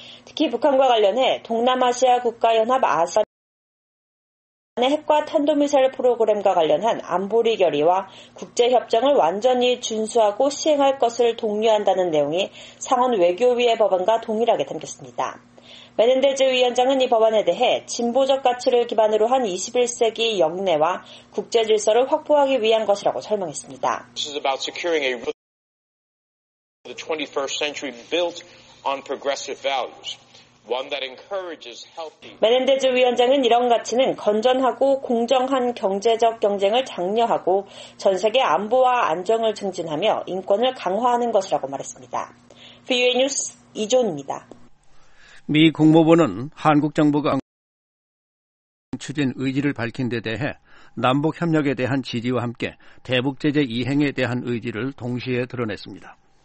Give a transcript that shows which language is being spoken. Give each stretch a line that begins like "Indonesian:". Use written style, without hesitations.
Korean: 특히 북한과 관련해 동남아시아 국가연합 아산의 핵과 탄도미사일 프로그램과 관련한 안보리 결의와 국제협정을 완전히 준수하고 시행할 것을 독려한다는 내용이 상원 외교위의 법안과 동일하게 담겼습니다. 메넨데즈 위원장은 이 법안에 대해 진보적 가치를 기반으로 한 21세기 역내와 국제 질서를 확보하기 위한 것이라고 설명했습니다.
English: This is about securing a the 21st century built on progressive values, one that encourages healthy.
Korean: 메넨데즈 위원장은 이런 가치는 건전하고 공정한 경제적 경쟁을 장려하고 전 세계 안보와 안정을 증진하며 인권을 강화하는 것이라고 말했습니다. VOA 뉴스 이존입니다. 미 국무부는 한국 정부가 추진 의지를 밝힌 데 대해 남북협력에 대한 지지와 함께 대북제재 이행에 대한 의지를 동시에 드러냈습니다.